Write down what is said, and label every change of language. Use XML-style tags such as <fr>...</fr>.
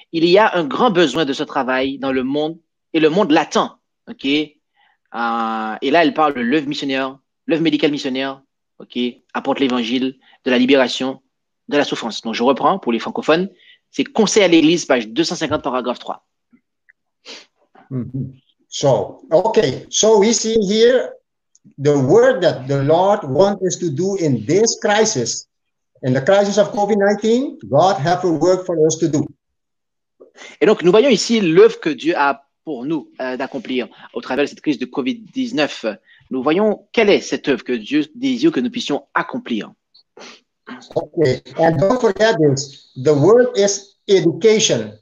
<fr>Il y a un grand besoin de ce travail dans le monde et le monde l'attend. Okay. Et là, elle parle de l'œuvre missionnaire, l'œuvre médicale missionnaire, ok, apporte l'évangile de la libération de la souffrance. Donc, je reprends pour les francophones, c'est Conseil à l'Église, page 250, paragraphe 3. Mm-hmm.</fr> <en>So, okay, so we see here the work that the Lord wants us to do in this crisis, in the crisis of COVID-19, God has a work for us to do.</en> <fr>Et donc, nous voyons ici l'œuvre que Dieu a pour nous d'accomplir au travers de cette crise de COVID-19. Nous voyons quelle est cette œuvre que Dieu désire que nous puissions accomplir.</fr> <en>Okay, and don't forget this. The word is education.</en>